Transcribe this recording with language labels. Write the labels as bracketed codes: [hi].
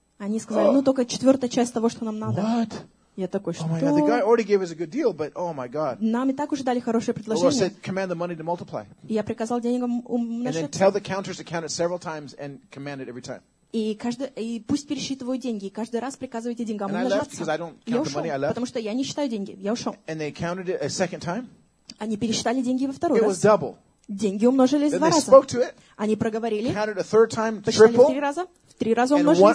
[ru] Они сказали, ну только четвертая часть того, что нам надо. [en] What? [ru] Я такой, что? [en] Oh my God, the guy already gave us a good deal, but oh my God. [ru] Нам и так уже дали хорошее предложение. [en] The Lord said, "Command the money to multiply." [ru] Я приказал деньгам умножаться. [en] And then tell the counters to count it several times and command it every time. [ru] И каждый, и пусть пересчитываю деньги, и каждый раз приказывайте деньгам умножаться. Я ушел, потому что я не считаю деньги, я ушел. [en] And they counted it a second time. [ru] Они пересчитали деньги во второй раз. [en] Double. [ru] Деньги умножились [en] Then [ru] два раза. [en] It, [ru] они проговорили. [en] Counted a third time, [ru] посчитали три раза. В три раза умножились